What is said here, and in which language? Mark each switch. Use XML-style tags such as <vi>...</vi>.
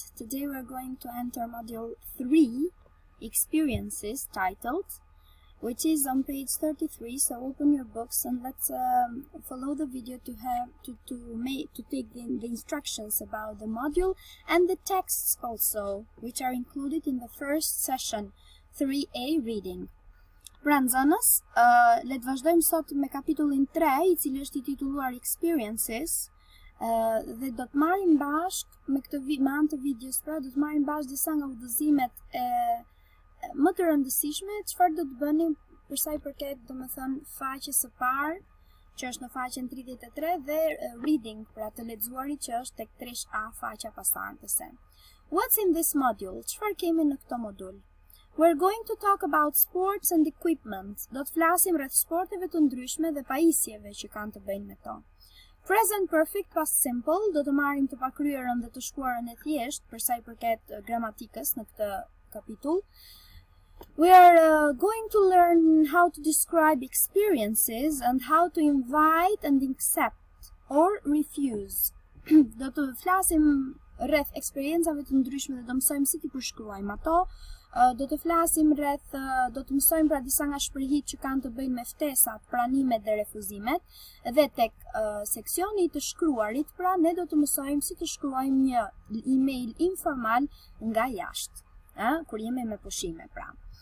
<en>Today we're going to enter module 3, Experiences, titled, which is on page 33. So open your books and let's follow the video to take the instructions about the module and the texts also, which are included in the first session, 3A reading.</en> <sq>Pranzanas, le të vazhdojmë sot me kapitullin 3, I cili është I titulluar Experiences. Dhe do të marrim bashk me këtë me anë të videos, pra do të marrim bashk disa nga udhëzimet më të rëndësishme, çfarë do të bëni për sa I përket, domethënë, faqes së parë, që është në faqen 33 dhe reading, pra të lexuarit që është tek 3A faqja pasardhëse.</sq> <en>What's in this module?</en> <sq>Çfarë kemi në këtë modul?</sq> <en>We're going to talk about sports and equipment.</en> <sq>Do të flasim rreth sporteve të ndryshme dhe pajisjeve që kanë të bëjnë me to. Present perfect past simple, do të marrim të pakryerën dhe të shkuarën e thjesht për sa I përket gramatikës në këtë kapitull.</sq> <en>We are going to learn how to describe experiences and how to invite and accept or refuse.</en> <sq>Do të flasim rreth eksperiencave të ndryshme dhe do mësojmë si të përshkruajmë ato. Do të flasim rreth, do të mësojmë pra disa nga shprehit që kanë të bëjnë me ftesat, pranimet dhe refuzimet, dhe tek seksioni I të shkruarit, pra ne do të mësojmë si të shkruajmë një email informal nga jashtë, kur jemi me pushime, pra.</sq>